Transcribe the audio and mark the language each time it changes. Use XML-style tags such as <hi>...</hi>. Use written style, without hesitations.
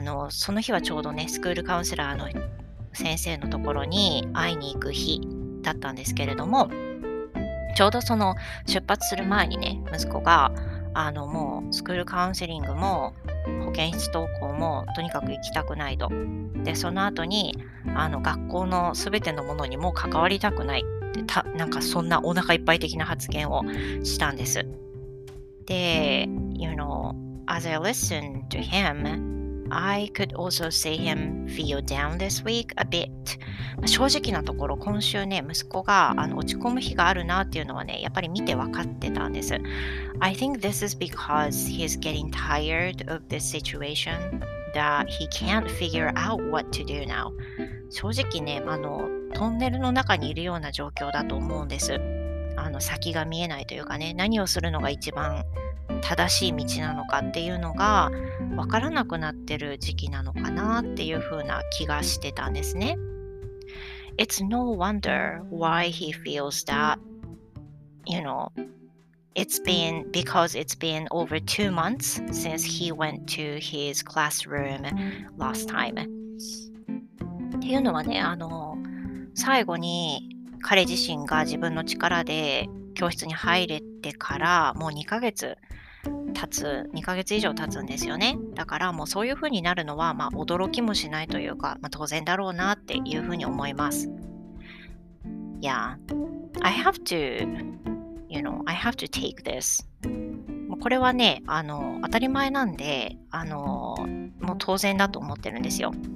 <ja>その日はちょうどね、スクールカウンセラーの先生のところに会いに行く日だったんですけれども、ちょうどその出発する前にね、息子が、もうスクールカウンセリングも保健室登校もとにかく行きたくないと。で、その後に、学校のすべてのものにも関わりたくない。なんかそんなお腹いっぱい的な発言をしたんです。</ja> <en>で、you know, as I listened to him, I could also see him feel down this week a bit.</en> <ja>正直なところ、今週ね、息子が落ち込む日があるなっていうのはね、やっぱり見て分かってたんです。</ja> <en>I think this is because he's getting tired of this situation that he can't figure out what to do now.</en> <ja>正直ね、トンネルの中にいるような状況だと思うんです。先が見えないというかね、何をするのが一番正しい道なのかっていうのが分からなくなってる時期なのかなっていうふうな気がしてたんですね。</ja> <en>It's no wonder why he feels that, you know, it's been because it's been over 2 months since he went to his classroom last time.</en> <ja>っていうのはね、最後に彼自身が自分の力で教室に入れてからもう2ヶ月以上経つんですよね。だからもうそういう風になるのはまあ驚きもしないというか、まあ、当然だろうなっていう風に思います。</ja> <en>Yeah, I have to, you know, I have to take this.</en> <ja>これはね、当たり前なんで、もう当然だと思ってるんですよ。</ja>